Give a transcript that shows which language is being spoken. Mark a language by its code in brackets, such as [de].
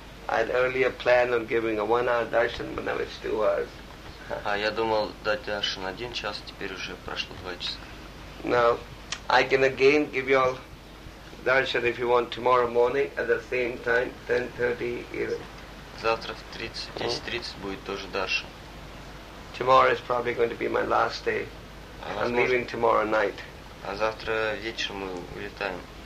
[en] I had earlier planned on giving a 1-hour darshan, but now it's 2 hours. [ru] Я думал дать даршан 1 час, теперь уже прошло 2 часа. [en] Now, I can again give you all darshan if you want tomorrow morning at the same time, 10:30. [ru] Завтра в 10:30 будет тоже даршан. [en] Tomorrow is probably going to be my last day. I'm leaving tomorrow night. [ru] А завтра вечером мы улетаем.